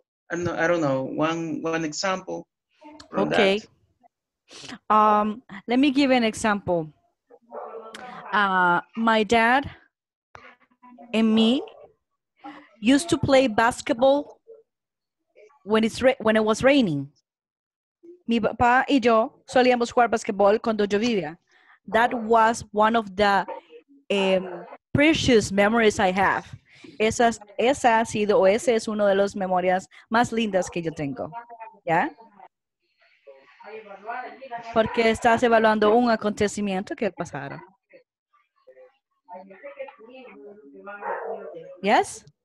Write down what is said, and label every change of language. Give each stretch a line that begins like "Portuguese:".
English: I don't know, one example. Let me give an example. My dad and me used to play basketball when it was raining.
Spanish: Mi papá y yo solíamos jugar basketball cuando yo vivía.
English: That was one of the precious memories I have.
Spanish: Esa ha sido, o ese es uno de las memorias más lindas que yo tengo, ¿ya? Porque estás evaluando un acontecimiento que pasara.
English: ¿Yes?